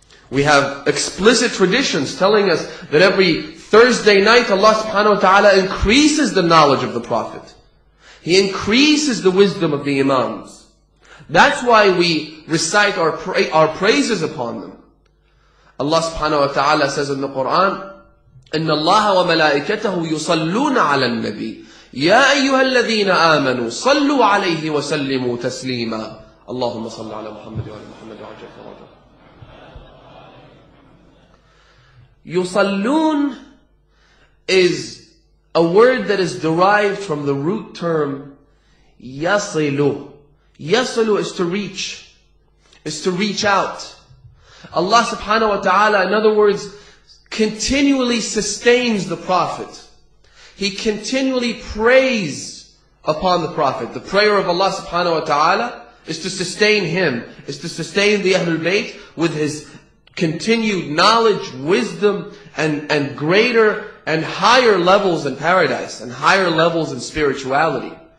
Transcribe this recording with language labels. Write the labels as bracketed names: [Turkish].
[English] We have explicit traditions telling us that every Thursday night Allah subhanahu wa ta'ala increases the knowledge of the Prophet. He increases the wisdom of the Imams. That's why we recite our praises upon them. Allah subhanahu wa ta'ala says in the Quran, [Arabic] إن الله وملائكته يصلون على النبي يا أيها الذين آمنوا صلوا عليه وسلموا تسليما اللهم صل على محمد وعلى محمد وعلى جل وعلا يصلون [English] is a word that is derived from the root term [Arabic] يصل. [English] يصل is to reach, is to reach out. Allah subhanahu wa ta'ala, in other words, continually sustains the Prophet. He continually prays upon the Prophet. The prayer of Allah subhanahu wa ta'ala is to sustain him, is to sustain the Ahlul Bayt with his continued knowledge, wisdom, and greater and higher levels in paradise, and higher levels in spirituality.